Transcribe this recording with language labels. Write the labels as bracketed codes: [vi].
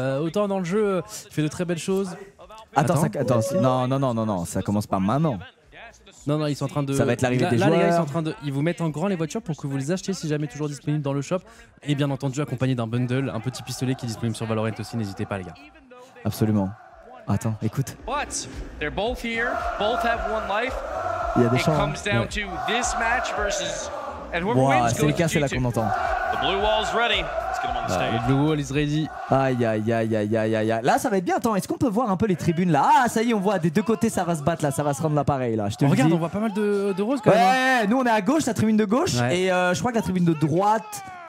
[fr] Autant dans le jeu, il fait de très belles choses. Attends, ça commence pas maintenant. Non, ils sont en train de. Ça va être l'arrivée des là, joueurs. Là, les gars, ils vous mettent en grand les voitures pour que vous les achetiez si jamais toujours disponibles dans le shop. Et bien entendu, accompagné d'un bundle, un petit pistolet qui est disponible sur Valorant aussi, n'hésitez pas, les gars. Absolument. Attends, écoute. [en] But they're both here, both have one life. [fr] Il y a des chances. [en] It comes down to this match versus and whoever wins goes. [fr] C'est le cas, c'est là qu'on entend. [en] The blue wall's ready. Le blue wall is ready. [fr] Aïe. Là, ça va être bien. Attends, est-ce qu'on peut voir un peu les tribunes là? Ah, ça y est, on voit des deux côtés, ça va se battre là, ça va se rendre là pareil là. Regarde, on voit pas mal de roses quand même. Ouais, nous on est à gauche, la tribune de gauche, ouais. Et je crois que la tribune de droite.